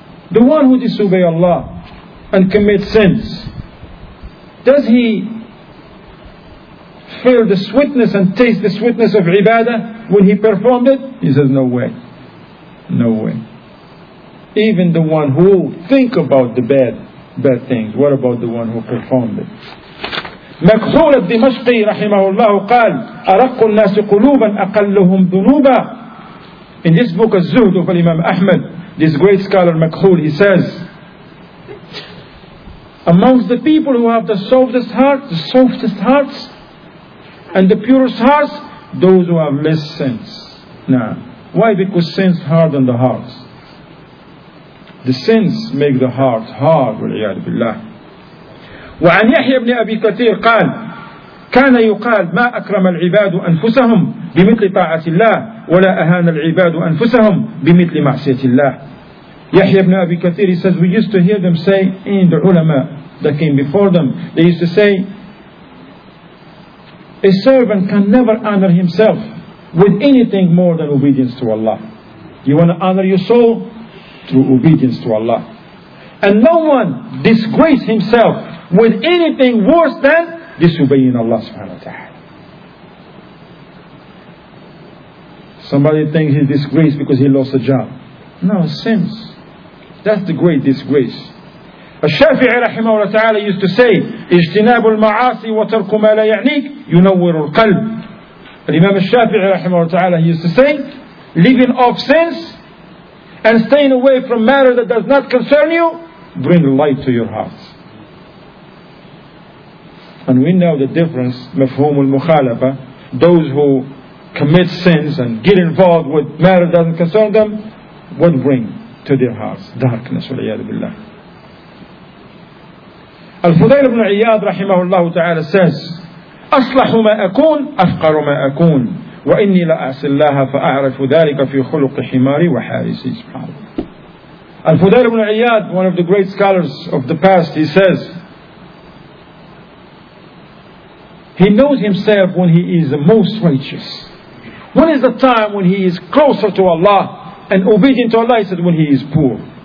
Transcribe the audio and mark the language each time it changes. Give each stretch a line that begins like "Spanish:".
English: the one who disobey Allah and commit sins, does he feel the sweetness and taste the sweetness of ibadah when he performed it? He says, no way. No way. Even the one who think about the bad things, what about the one who performed it?
Arabic: مكحول الدمشقي رحمه الله قال أرق الناس قلوبا أقلهم ذنوبا.
English: In this book الزهد of Imam Ahmed, this great scholar مكحول, he says, amongst the people who have the softest hearts, the softest hearts and the purest hearts, those who have less sins. Now, why? Because sins harden the hearts. The sins make the heart hard, والعياذ بالله.
Arabic: وعن يحيى بن أبي كثير قال كان يقال ما أكرم العباد أنفسهم بمثل طاعة الله ولا أهان العباد أنفسهم بمثل معصية الله.
English: يحيى بن أبي كثير, he says, we used to hear them say in the ulama that came before them, they used to say a servant can never honor himself with anything more than obedience to Allah. You want to honor your soul through obedience to Allah, and no one disgrace himself with anything worse than disobeying Allah subhanahu wa ta'ala. Somebody thinks he's disgraced because he lost a job. No, sins. That's the great disgrace.
Arabic: الشافعي رحمه الله تعالى
English: used to say,
Arabic: اجتناب المعاصي وترك ما لا يعنيك ينور القلب.
English: الإمام الشافعي رحمه الله تعالى used to say, living off sins and staying away from matter that does not concern you bring light to your heart. And we know the difference, مفهوم المخالفة, those who commit sins and get involved with matter that doesn't concern them, what bring to their hearts? Darkness, والعياذ بالله.
Arabic: الفضيل بن عياد رحمه الله تعالى says, أصلح ما أكون أفقر ما أكون وإني لا أعصي الله فأعرف ذلك في خلق حماري وحارسي.
English: الفضيل بن عياد, one of the great scholars of the past, he says, He knows himself when he is the most righteous. When is the time when he is closer to Allah and obedient to Allah? He said, when he is poor.